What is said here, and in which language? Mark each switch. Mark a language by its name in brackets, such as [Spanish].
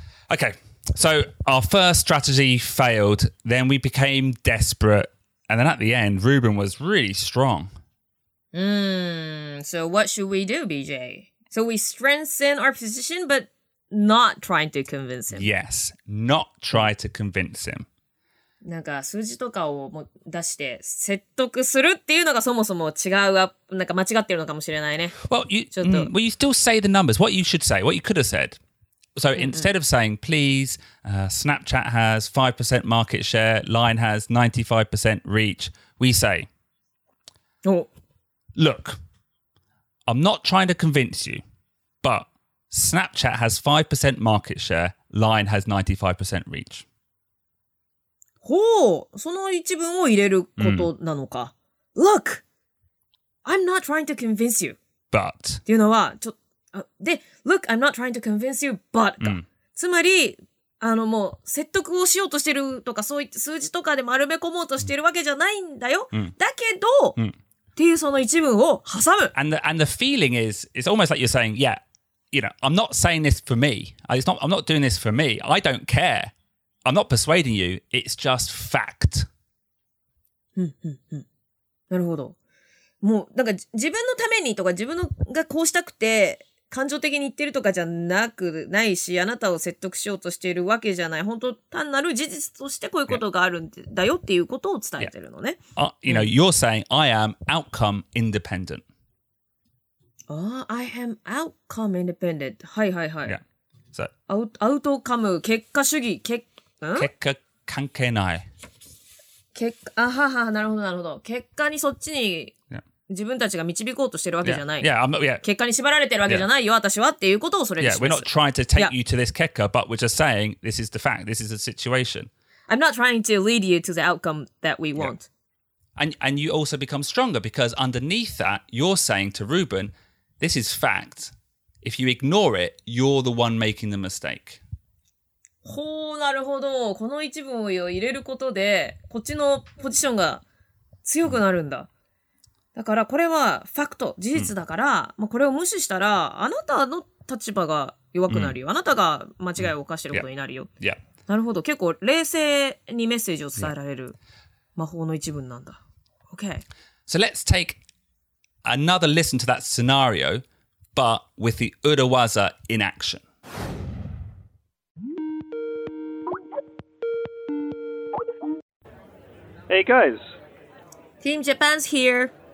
[English] Okay, so our first strategy failed, then we became desperate, and then at the end, Ruben was really strong. So what should we do, BJ? So we strengthen our position, but not trying to convince him. Yes, not try to convince him. [Japanese] なんか数字とかを出して説得するっていうのがそもそも違うなんか間違ってるのかもしれないね。 [English] Well, you, ちょっと、well, you still say the numbers. What you should say, what you could have said. So instead of saying, please, Snapchat has 5% market share, LINE has 95% reach, we say, look, I'm not trying to convince you, but Snapchat has 5% market share, LINE has 95% reach. [Japanese] ほう、その一文を入れることなのか。 [English] Look, I'm not trying to convince you. But. [Japanese] っていうのは、ちょ、で、 [English] Look, I'm not trying to convince you, but [Japanese] か。つまり、もう、説得をしようとしてるとか、そういった数字とかで丸め込もうとしてるわけじゃないんだよ。だけど、っていうその一文を挟む。 [English] And the feeling is, it's almost like you're saying, yeah, you know, I'm not saying this for me. I'm not doing this for me. I don't care. I'm not persuading you, it's just fact. [Japanese] なるほど。もう、なんか自分のためにとか自分のがこうしたくて感情的に言ってるとかじゃなくないし、あなたを説得しようとしているわけじゃない。本当、単なる事実としてこういうことがあるんだよっていうことを伝えてるのね。 [English] You know, you're saying I am outcome independent. Oh, I am outcome independent. [Japanese] はいはいはい。 [English] Yeah. [Japanese] アウトカム、結果主義、結果。結果関係ない。結果、あはは、なるほどなるほど。結果にそっちに自分たちが導こうとしてるわけじゃない。 [English] Yeah. Yeah, yeah. [Japanese] 結果に縛られてるわけじゃないよ、 [English] yeah. [Japanese] 私はっていうことをそれで示す。 [English] Yeah, we're not trying to take you to this 結果, but we're just saying this is the fact, this is the situation. I'm not trying to lead you to the outcome that we want.、 Yeah. And you also become stronger because underneath that, you're saying to Ruben, this is fact. If you ignore it, you're the one making the mistake. [Japanese] ほう、なるほど。この一文を入れることで、こっちのポジションが強くなるんだ。だから、これはファクト、事実だから、まあ、これを無視したら、あなたの立場が弱くなるよ。あなたが間違いを犯してることになるよ。 [English] Yeah. [Japanese] なるほど。結構、冷静にメッセージを伝えられる魔法の一文なんだ。 [English] Okay. So let's take another listen to that scenario, but with the urawaza in action. Hey guys. Team Japan's here.